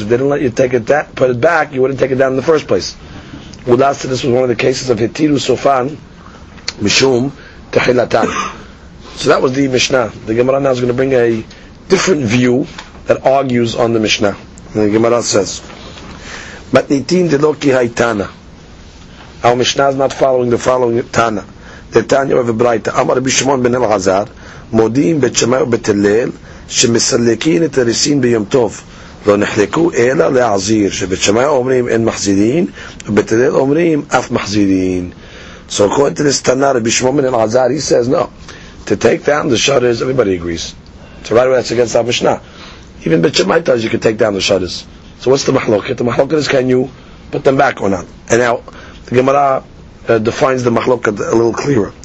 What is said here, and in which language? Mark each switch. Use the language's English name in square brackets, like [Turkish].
[English] Because if they didn't let you take it put it back, you wouldn't take it down in the first place. Last, this was one of the cases of [Hebrew] Hitiru Sofan, Mishum, Tehillatan. [English] So that was the Mishnah. The Gemara now is going to bring a different view that argues on the Mishnah. And the Gemara says, [Hebrew] Matnitin Deloki Haitana. [English] Our Mishnah is not following the following Tana. The Tanya of Ebraita. [Hebrew] Amar Rabbi Shimon ben Elazar, Modim Bet Shemayu Bet Hillel. שמסלקין את הריסין ביום טוב לא נחלקו אלא להעזיר שבית שמאי אומרים אין מחזירין ובית הלל אומרים אף מחזירין. [English] So according to this Tanar, Rabbi Shimon ben Elazar, he says no, to take down the shutters, everybody agrees. So right away that's against our Mishnah. Even Bet Shammai tells you can take down the shutters. So what's the machloket? The machloket is can you put them back or not? And now the Gemara defines the machloket a little clearer.